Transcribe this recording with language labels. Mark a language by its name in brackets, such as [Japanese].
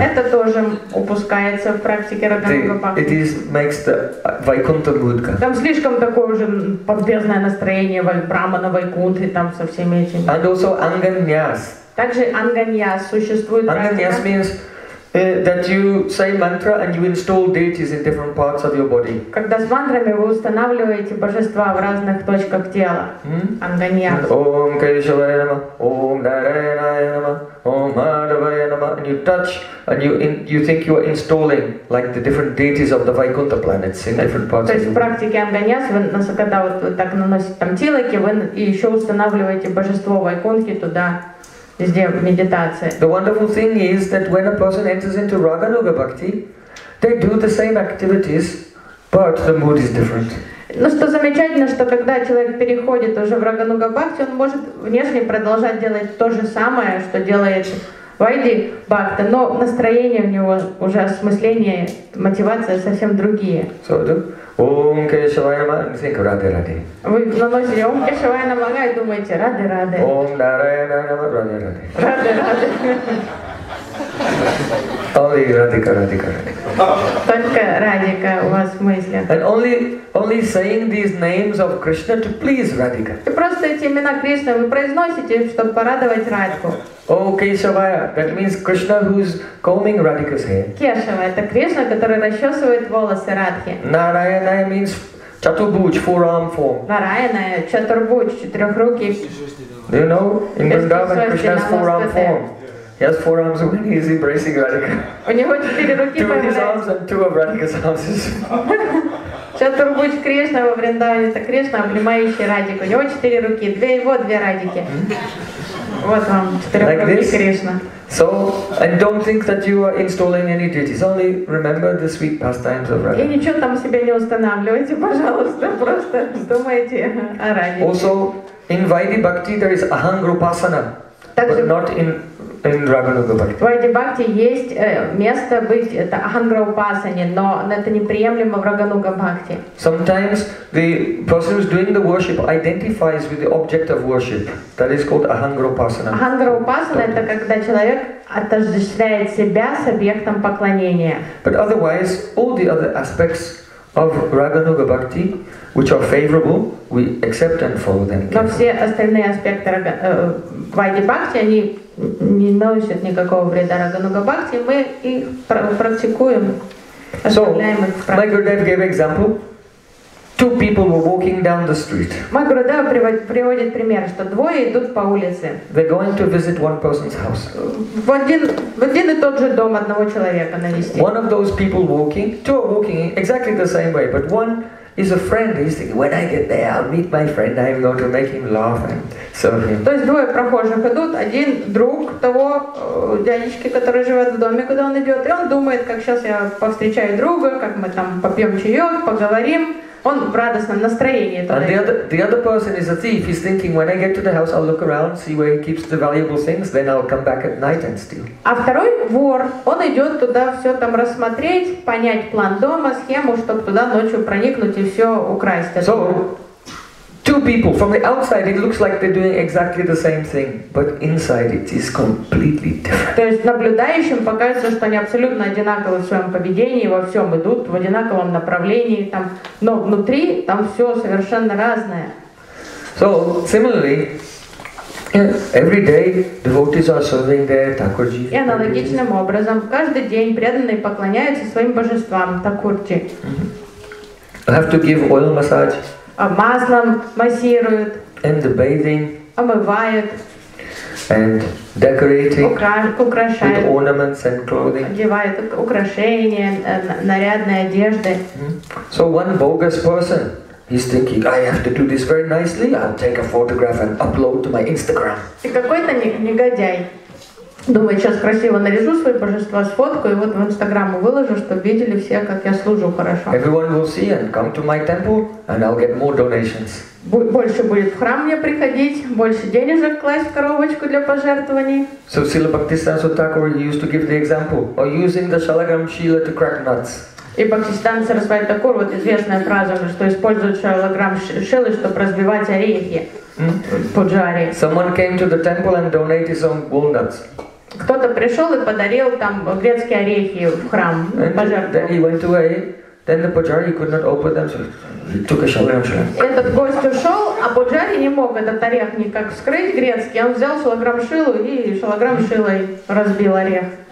[Russian] Это тоже упускается в практике Рагануга-Бхакти. [English] It is makes the Vaikuntha mood go. [Russian] Там слишком такое уже подвязное настроение Брахмана Вайкунты там со всеми этими. [English] And also Anganyas. [Russian] Также Anganyas существует. [English] Anganyas means that you say mantra and you install deities in different parts of your body. [Russian] Когда с мантрами вы устанавливаете божества в разных точках тела. Анганьяс. [Sanskrit] Ом Кешавая Намо, Ом Нараяная Намо, Ом Мадхавая Намо. [English] And you touch and you think you are installing like the different deities of the Vaikuntha planets in different parts. [Russian] То есть в практике Анганьяс, когда вот так наносите там тилаки, вы еще устанавливаете божество Вайкунтхи туда. [English] The wonderful thing is that when a person enters into Raganuga Bhakti, they do the same activities, but the mood is different. [Russian] Ну что замечательно, что когда человек переходит уже в Рагануга Бхакти, он может внешне продолжать делать то же самое, что делает Вайди Бхакта, но настроение у него уже осмысление, мотивация совсем другие. [English] So do. [Sanskrit] Ом Кешавая Нама, [English] think Раде Раде. [Russian] Вы наносите [Sanskrit] Ом Кешавая Нама [Russian] и думаете Раде Раде. [Sanskrit] Ом Нараяна Нама Раде Раде. Раде Раде. [English] Only Радика, Радика, Радика. [Russian] Только Радика у вас в мыслях. [English] And only saying these names of Krishna to please Radhika. [Russian] И просто эти имена Кришны вы произносите, чтобы порадовать Радику. [English] Oh, Keshavaya, that means Krishna who is combing Radhika's hair. [Russian] Кешава, это Кришна, который расчесывает волосы Радхи. [English] Narayana means Chaturbhuj, four-arm form. [Russian] Narayana, Chaturbhuj, четырехрукий. [English] Do you know, in Vrindavan, Krishna's four-arm form. He has four arms when he is embracing Radhika. [Russian] У него четыре руки. [English] Two of his arms and two of Radhika's arms. [Russian] Чатурбудж Кришна во Вриндаване, это Кришна, обнимающий Радику. У него четыре руки, две его, две Радики. Вот вам четыре руки Кришна. [English] So, and don't think that you are installing any duties. Only remember the sweet pastimes of Radha. [Russian] И ничего там себе не устанавливайте, пожалуйста, просто думайте о Радике. [English] Also, in Vaidhi Bhakti there is Ahangrupasana, but not in [Russian] В Вайди-Бхакти есть место быть, это Ахангра-Упасане, но это неприемлемо в Рагануга-Бхакти. [English] Sometimes the person who's doing the worship identifies with the object of worship. That is called Ахангра-Упасана. [Russian] Ахангра-Упасана — это когда человек отождествляет себя с объектом поклонения. [English] But otherwise, all the other aspects of Рагануга-Бхакти, which are favorable, we accept and follow them. [Russian] Но все остальные аспекты Вайди-Бхакти, они не носят никакого вреда Рагануга-Бхакти, мы их практикуем, оставляем их в практике. [English] So, my Gurudev gave example. Two people were walking down the street. My Gurudev [Russian] приводит пример, что двое идут по улице. [English] They're going to visit one person's house. [Russian] В один и тот же дом одного человека навести. [English] One of those people walking, two are walking exactly the same way, but one is a friend. He's thinking, when I get there, I'll meet my friend. I'm going to make him laugh and serve him. [Russian] То есть двое прохожих идут. Один друг того дядечки, который живет в доме, куда он идет, и он думает, как сейчас я повстречаю друга, как мы там попьем чаек, поговорим. Он в радостном настроении. [English] And the other person is a thief. He's thinking, when I get to the house, I'll look around, see where he keeps the valuable things, then I'll come back at night and steal. [Russian] А второй вор, он идет туда все там рассмотреть, понять план дома, схему, чтобы туда ночью проникнуть и все украсть. [English] So, two people, from the outside it looks like they're doing exactly the same thing, but inside it is completely different. [Russian] То есть наблюдающим покажется, что они абсолютно одинаковы в своем поведении, во всем идут в одинаковом направлении, там, но внутри там все совершенно разное. [English] So, similarly, every day devotees are serving their Thakurji. [Russian] И аналогичным образом, каждый день преданные поклоняются своим божествам, Такурджи. [English] I have to give oil massage. [Russian] А маслом массируют. [English] And the bathing. [Russian] Омывают. [English] And decorating. [Russian] Украшают. [English] With ornaments and clothing. [Russian] Одевают украшения, нарядные одежды. [English] So one bogus person, he's thinking, I have to do this very nicely. I'll take a photograph and upload to my Instagram. [Russian] И какой-то негодяй думает, сейчас красиво нарежу свое божество, сфоткаю и вот в Инстаграм выложу, чтобы видели все, как я служу хорошо. [English] Everyone will see and come to my temple, and I'll get more donations. [Russian] Больше будет в храм мне приходить, больше денежек класть в коробочку для пожертвований. [English] So Srila Bhaktisiddhanta Thakur used to give the example of using the shalagram shila to crack nuts. [Russian] И Бхактисиддханта Сарасвати Такур, вот известная фраза, что используют шалаграм шилы, чтобы разбивать орехи. Поджари. [English] Someone came to the temple and donated some walnuts. [Russian] Кто-то пришел и подарил там грецкие орехи в храм. [English] Then he went away. Then the pujari could not open them, so he took a shalagram shila. [Russian] Этот гость ушел, а пуджари не мог этот орех никак вскрыть грецкий. Он взял шалаграм шилу и шалаграм шилой разбил орех.